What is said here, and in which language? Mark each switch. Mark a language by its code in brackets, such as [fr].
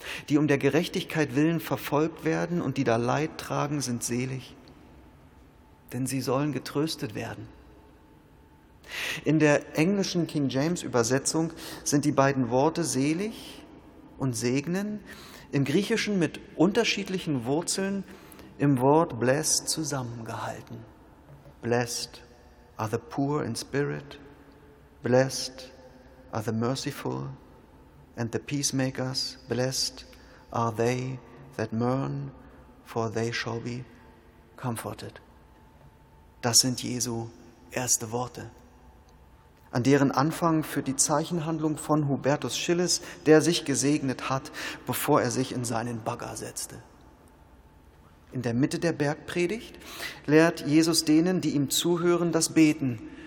[de] Die um der Gerechtigkeit willen verfolgt werden und die da Leid tragen, sind selig, denn sie sollen getröstet werden. In der englischen King James Übersetzung sind die beiden Worte selig und segnen im Griechischen mit unterschiedlichen Wurzeln im Wort blessed zusammengehalten. [en] Blessed are the poor in spirit, blessed are the merciful and the peacemakers, blessed are they that mourn, for they shall be comforted. [de] Das sind Jesu erste Worte. An deren Anfang führt die Zeichenhandlung von Hubertus Schilles, der sich gesegnet hat, bevor er sich in seinen Bagger setzte. In der Mitte der Bergpredigt lehrt Jesus denen, die ihm zuhören, das Beten.